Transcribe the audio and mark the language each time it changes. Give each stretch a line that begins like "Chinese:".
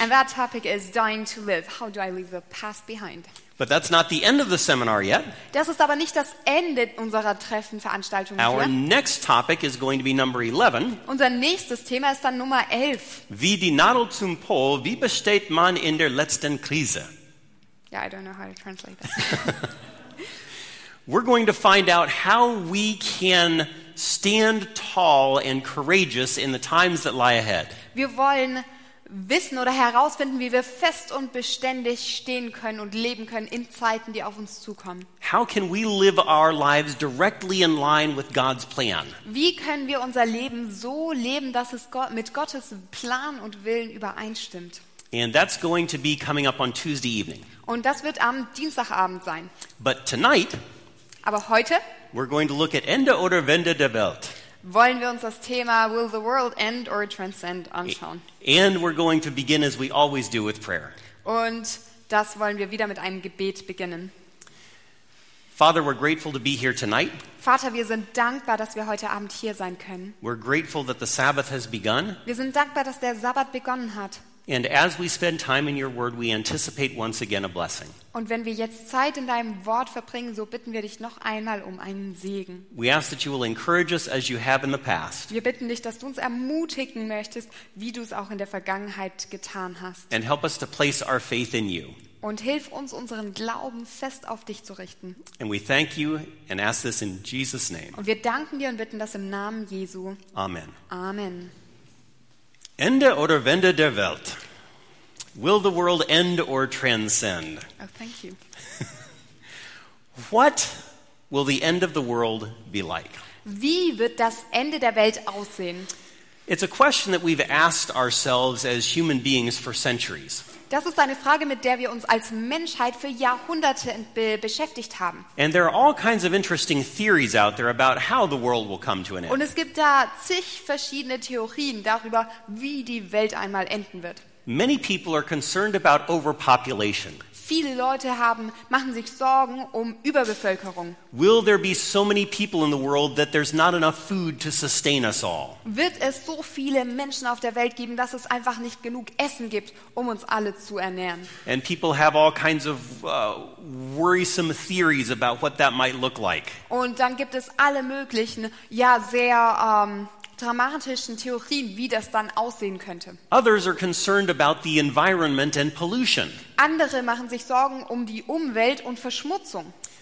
English: And that topic is dying to live. How do I leave the past behind? But that's not the end of the seminar yet.
German: Das ist aber nicht das Ende unserer Treffenveranstaltung.
English: Our next topic is going to be number 11.
German: Unser nächstes Thema ist dann Nummer 11. Wie die Nadel zum Pol, wie besteht man in der letzten Krise?
English: Yeah, I don't know how to translate that. We're going to find out how we can stand tall and courageous in the times that lie ahead.
German: Wir wollen wissen oder herausfinden, wie wir fest und beständig stehen können und leben können in Zeiten, die auf uns zukommen.
English: How can we live our lives directly in line with God's plan?
German: Wie können wir unser Leben so leben, dass es Gott mit Gottes Plan und Willen übereinstimmt?
English: And that's going to be coming up on Tuesday evening.
German: Und das wird am Dienstagabend sein.
English: But tonight,
German: aber heute,
English: we're going to look at
German: Ende oder Wende der Welt. Wollen wir uns das Thema
English: Will the World End or Transcend
German: anschauen?
English: And we're going to begin as we always do with prayer.
German: Und das wollen wir wieder mit einem Gebet beginnen.
English: Father, we're grateful to be here tonight.
German: Vater, wir sind dankbar, dass wir heute Abend hier sein können.
English: We're grateful that the Sabbath has begun.
German: Wir sind dankbar, dass der Sabbat begonnen hat.
English: And as we spend time in your word, we anticipate once again a blessing.
German: Und wenn wir jetzt Zeit in deinem Wort verbringen, so bitten wir dich noch einmal um einen Segen.
English: We ask that you will encourage us as you have in the past.
German: Wir bitten dich, dass du uns ermutigen möchtest, wie du es auch in der Vergangenheit getan hast.
English: And help us to place our faith in you.
German: Und hilf uns, unseren Glauben fest auf dich zu richten.
English: And we thank you and ask this in Jesus' name.
German: Und wir danken dir und bitten das im Namen Jesu.
English: Amen.
German: Amen. Ende oder Wende der Welt?
English: Will the world end or transcend? Oh, thank you. What will the end of the world be like?
German: Wie wird das Ende der Welt aussehen?
English: It's a question that we've asked ourselves as human beings for centuries.
German: Das ist eine Frage, mit der wir uns als Menschheit für Jahrhunderte beschäftigt haben.
English: And there are all kinds of interesting theories out there about how the world will come to an end.
German: Und es gibt da zig verschiedene Theorien darüber, wie die Welt einmal enden wird.
English: Many people are concerned about overpopulation.
German: Viele Leute haben machen sich Sorgen um Überbevölkerung.
English: Will there be so many people in the world that there's not enough food to sustain us all?
German: Wird es so viele Menschen auf der Welt geben, dass es einfach nicht genug Essen gibt, um uns alle zu ernähren?
English: And people have all kinds of worrisome theories about what that might look like.
German: Und dann gibt es alle möglichen, ja, sehr dramatischen Theorien, wie das dann aussehen könnte.
English: Others are concerned about the environment and pollution.
German: Andere machen sich Sorgen um die Umwelt und Verschmutzung.